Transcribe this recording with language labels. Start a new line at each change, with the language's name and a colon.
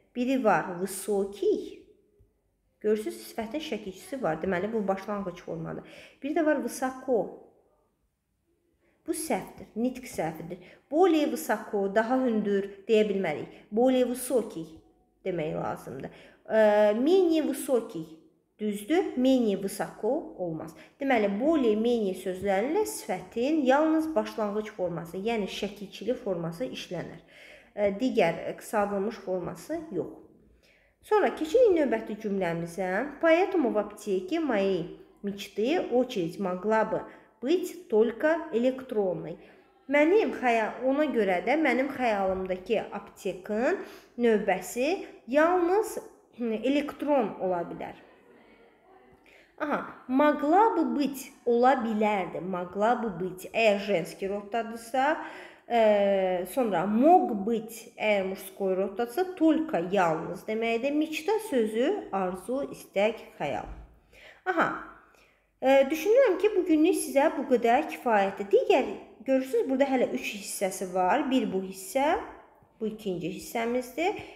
Azerbaijani: Biri var, высокий. Görürsünüz, sifətin şəkilçisi var. Deməli, bu başlanğıc formada. Biri də var, высоко. Bu səhvdir, nitq səhvidir. Более высоко, daha hündür deyə bilməliyik. Более высокий demək lazımdır. Менее высокий düzdür, менее высоко olmaz. Deməli, более, менее sözlərinlə sifətin yalnız başlanğıc forması, yəni şəkilçili forması işlənir. Digər qısadılmış forması yox. Sonra keçirik növbəti cümləmizə.
Russian: Поэтому в аптеке моей мечты очередь могла бы быть только электронной.
Azerbaijani: Mənim xəyal, ona görə də mənim xəyalımdakı aptekin növbəsi yalnız elektron ola bilər. Aha,
Russian: могла бы быть,
Azerbaijani: ola bilərdi. Могла бы быть, əgər женский роддадırsa, sonra мог быть, əgər мужской роддадırsa, только yalnız deməkdir. Мечта sözü, arzu, istək, xəyal. Aha, düşünürəm ki, bugünlük sizə bu qədər kifayətdir. Digər, görürsünüz, burada hələ 3 hissəsi var. Bir bu hissə, bu ikinci hissəmizdir.